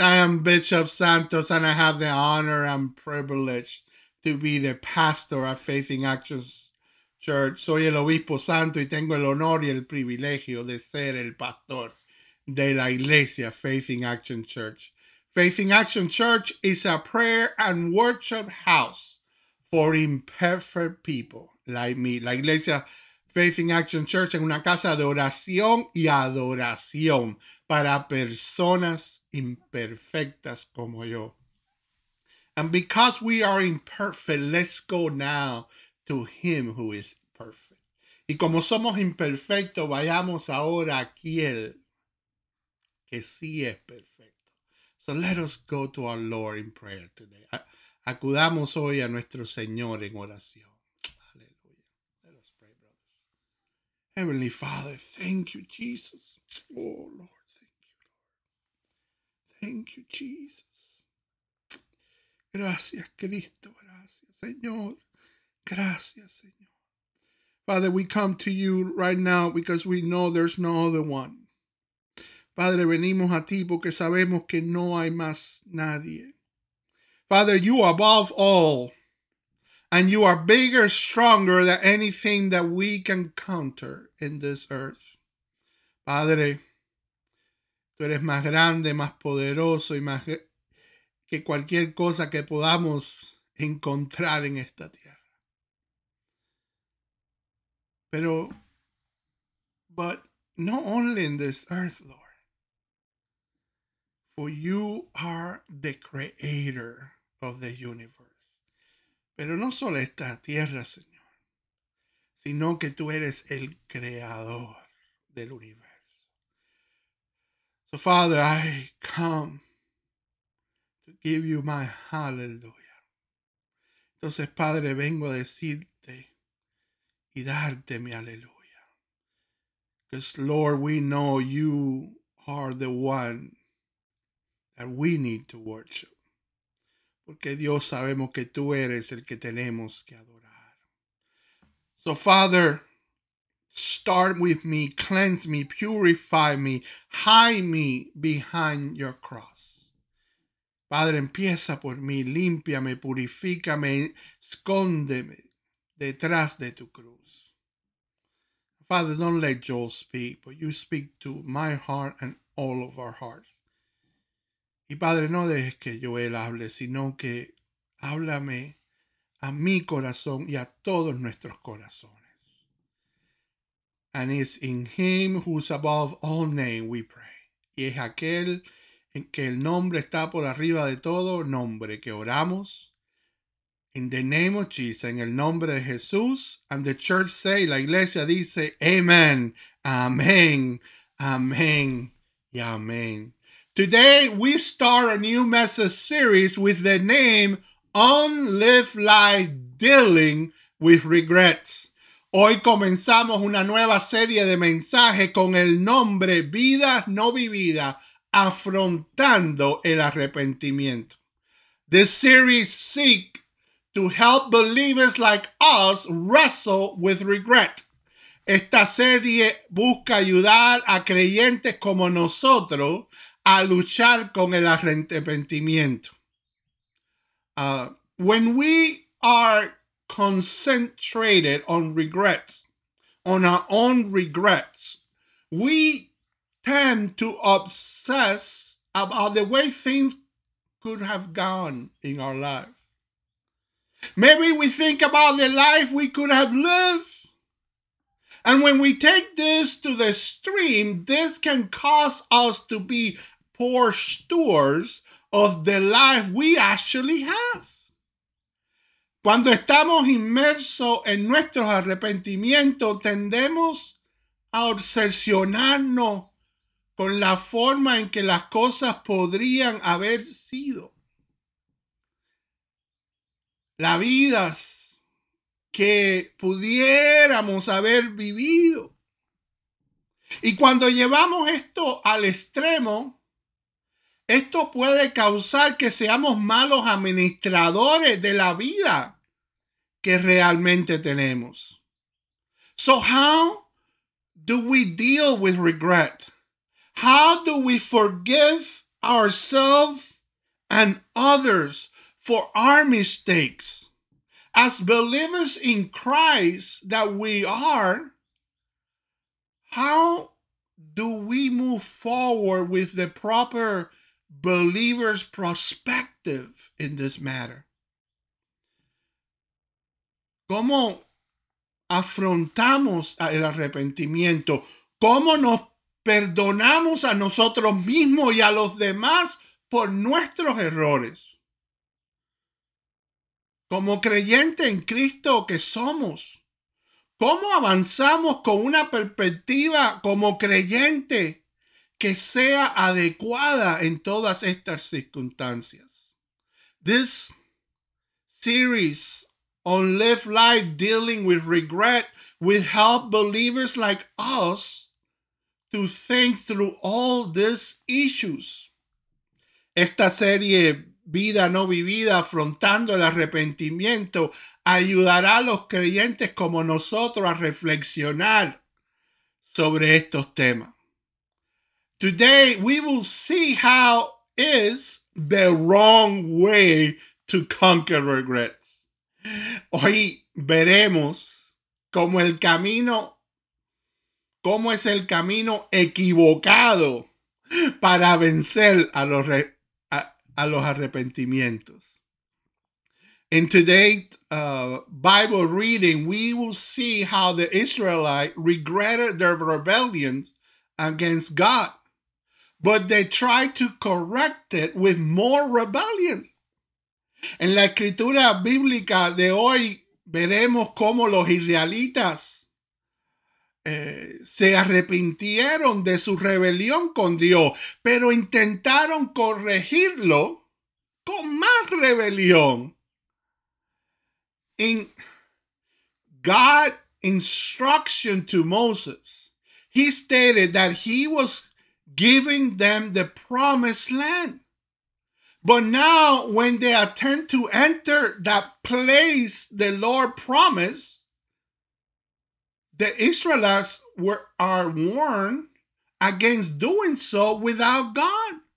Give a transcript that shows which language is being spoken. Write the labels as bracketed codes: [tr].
[en] I am Bishop Santos, and I have the honor and privilege to be the pastor at Faith in Action Church. [es] Soy el Obispo Santo y tengo el honor y el privilegio de ser el pastor de la Iglesia Faith in Action Church. [en] Faith in Action Church is a prayer and worship house for imperfect people like me. [es] La Iglesia Faith in Action Church es una casa de oración y adoración para personas imperfectas como yo. [en] And because we are imperfect, let's go now to him who is perfect. [es] Y como somos imperfectos, vayamos ahora a aquel que sí es perfecto. [en] So let us go to our Lord in prayer today. [es] Acudamos hoy a nuestro Señor en oración. Aleluya. [en] Let us pray, brothers. Heavenly Father, thank you, Jesus. Oh, Lord, thank you, Lord. Thank you, Jesus. [es] Gracias, Cristo. Gracias, Señor. Gracias, Señor. [en] Father, we come to you right now because we know there's no other one. [es] Padre, venimos a ti porque sabemos que no hay más nadie. [en] Father, you are above all, and you are bigger, stronger than anything that we can counter in this earth. [es] Padre, tú eres más grande, más poderoso y más que cualquier cosa que podamos encontrar en esta tierra. [en] But not only in this earth, Lord. For you are the creator of the universe. [es] Pero no solo esta tierra, Señor, sino que tú eres el creador del universo. [en] So, Father, I come give you my hallelujah. [es] Entonces, Padre, vengo a decirte y darte mi aleluya. [en] Because, Lord, we know you are the one that we need to worship. [es] Porque, Dios, sabemos que tú eres el que tenemos que adorar. [en] So, Father, start with me, cleanse me, purify me, hide me behind your cross. [es] Padre, empieza por mí, límpiame, purifícame, escóndeme detrás de tu cruz. [en] Father, don't let Joel speak, but you speak to my heart and all of our hearts. [es] Y Padre, no dejes que Joel hable, sino que háblame a mi corazón y a todos nuestros corazones. [en] And it's in him who's above all name, we pray. [es] Y es aquel en que el nombre está por arriba de todo nombre que oramos. [en] In the name of Jesus, [es] en el nombre de Jesús. [en] And the church say, [es] la iglesia dice, amen, amen, amen, y amen. [en] Today we start a new message series with the name On Live Life Dealing with Regrets. [es] Hoy comenzamos una nueva serie de mensajes con el nombre Vida No Vivida, Afrontando el Arrepentimiento. [en] This series seeks to help believers like us wrestle with regret. [es] Esta serie busca ayudar a creyentes como nosotros a luchar con el arrepentimiento. [en] When we are concentrated on regrets, on our own regrets, we tend to obsess about the way things could have gone in our life. Maybe we think about the life we could have lived. And when we take this to the extreme, this can cause us to be poor stewards of the life we actually have. [es] Cuando estamos inmersos en nuestros arrepentimientos, tendemos a obsesionarnos con la forma en que las cosas podrían haber sido. Las vidas que pudiéramos haber vivido. Y cuando llevamos esto al extremo, esto puede causar que seamos malos administradores de la vida que realmente tenemos. [en] So how do we deal with regret? How do we forgive ourselves and others for our mistakes? As believers in Christ that we are, how do we move forward with the proper believer's perspective in this matter? [es] ¿Cómo afrontamos el arrepentimiento? ¿Cómo nos perdonamos a nosotros mismos y a los demás por nuestros errores? Como creyente en Cristo que somos, ¿cómo avanzamos con una perspectiva como creyente que sea adecuada en todas estas circunstancias? [en] This series on Live Life Dealing with Regret will help believers like us to think through all these issues. [es] Esta serie Vida No Vivida, Afrontando el Arrepentimiento, ayudará a los creyentes como nosotros a reflexionar sobre estos temas. [en] Today we will see how is the wrong way to conquer regrets. [es] Hoy veremos cómo es el camino equivocado para vencer a los arrepentimientos. [en] In today's Bible reading, we will see how the Israelites regretted their rebellion against God, but they tried to correct it with more rebellion. [es] En la escritura bíblica de hoy, veremos cómo los israelitas se arrepintieron de su rebelión con Dios, pero intentaron corregirlo con más rebelión. [en] In God's instruction to Moses, he stated that he was giving them the promised land. But now, when they attempt to enter that place the Lord promised, the Israelites are warned against doing so without God.